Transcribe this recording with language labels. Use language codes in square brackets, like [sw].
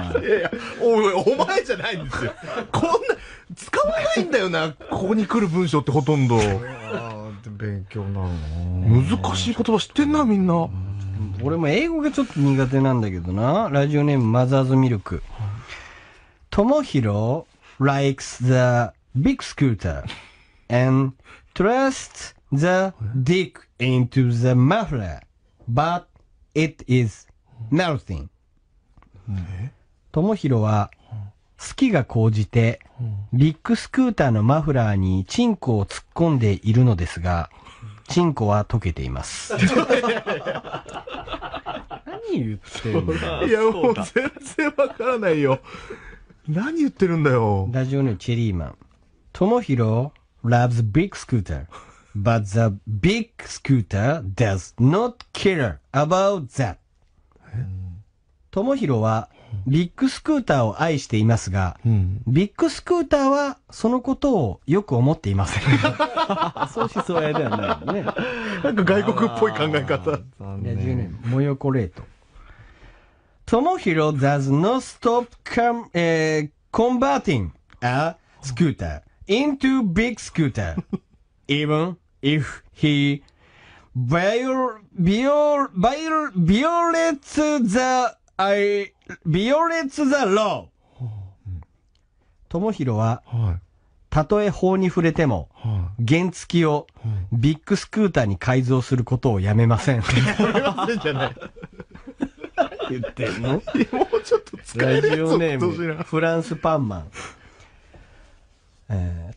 [ja] いやいや、お前じゃないんですよ。こんな使わないんだよな。ここに来る文章ってほとんど。あ、勉強なの。難しい言葉知ってんなみんな。俺も英語がちょっと苦手なんだけどな。ラジオネームマザーズミルク。 [en] 智弘 likes the big scooter and thrust the dick into the muffler, but it is melting. [ja] ともひろは好きが高じてビッグスクーターのマフラーにチンコを突っ込んでいるのですが、チンコは溶けています。何言ってんだ。いやもう全然わからないよ。何言ってるんだよ。ラジオのチェリーマン。 [en] ともひろloves big scooter, but the big scooter does not care about that. [ja] ともひろはビッグスクーターを愛していますが、うん、ビッグスクーターはそのことをよく思っていません。そうしそうやではないよね。なんか外国っぽい考え方。 [en] 20年、モヨコレート。ともひろ does not stop converting a scooter. into big scooter even if he violates the law. [ja] ともひろはたとえ法に触れても、はい、原付きをビッグスクーターに改造することをやめません。やめませんじゃない。何言ってんの。もうちょっと使えるやつ。ラジオネームフランスパンマン。